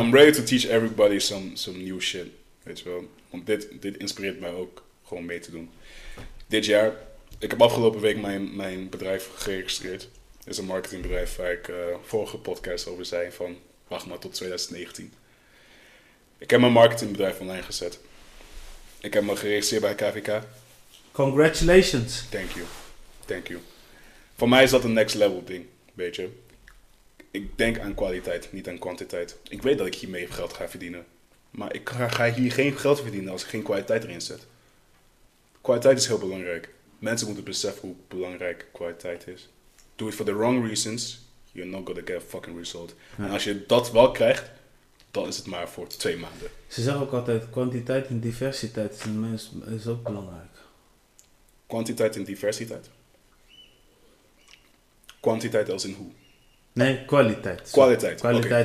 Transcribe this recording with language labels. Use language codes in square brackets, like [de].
[en] I'm ready to teach everybody some new shit. [nl] Weet je wel. Want dit inspireert mij ook gewoon mee te doen. Dit jaar, ik heb afgelopen week mijn bedrijf geregistreerd. Het is een marketingbedrijf waar ik vorige podcast over zei van, wacht maar tot 2019. Ik heb mijn marketingbedrijf online gezet. Ik heb me geregistreerd bij KVK. [en] Congratulations. Thank you. Thank you. [nl] Voor mij is dat een next level ding, weet je. Ik denk aan kwaliteit, niet aan kwantiteit. Ik weet dat ik hiermee geld ga verdienen. Maar ik ga hier geen geld verdienen als ik geen kwaliteit erin zet. Kwaliteit is heel belangrijk. Mensen moeten beseffen hoe belangrijk kwaliteit is. [en] Do it for the wrong reasons, you're not gonna get a fucking result. [nl] Ja. En als je dat wel krijgt, dan is het maar voor 2 maanden. Ze zeggen ook altijd, kwantiteit en diversiteit is ook belangrijk. Kwantiteit en diversiteit? Kwantiteit als in hoe? Nee, kwaliteit. Kwaliteit. Kwaliteit, okay.